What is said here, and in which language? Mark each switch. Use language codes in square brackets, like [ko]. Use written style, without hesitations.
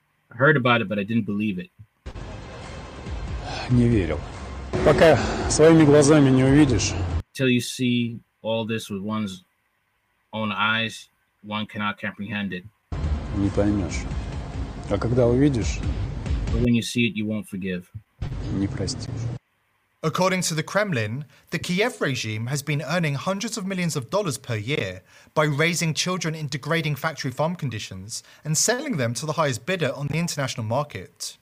[en] I heard about it, but I didn't believe it. [ru] Не верил. Пока своими глазами не увидишь. [en] Till you see all this with one's own eyes, one cannot comprehend it. [ru] Не поймешь. А когда увидишь... [en] But when you see it, you won't forgive. [ru] Не простишь. [en] According to the Kremlin, the Kiev regime has been earning hundreds of millions of dollars per year by raising children in degrading factory farm conditions and selling them to the highest bidder on the international market.